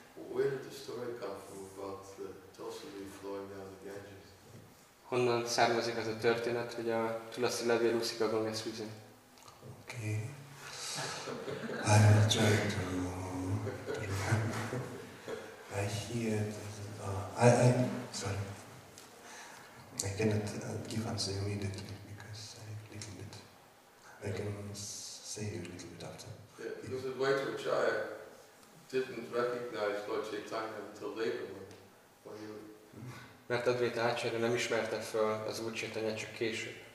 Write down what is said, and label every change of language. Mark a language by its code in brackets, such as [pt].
[en] Where did the story come from about the Tulsi leaf flowing down the Ganges? Oh. [hu] Honnan származik az a történet, hogy a tulaszi levél úszik a Ganges vízén? [en] Okay. I'm not trying to remember. I hear that, I cannot give answer immediately because I a little bit. I can say a little bit after. Yeah, because the Dvaita Acharya didn't recognize Lord Chaitanya until later when he. [hu] Mert a Dvaita Acharya nem ismerte fel az Úr Chaitanyát csak később.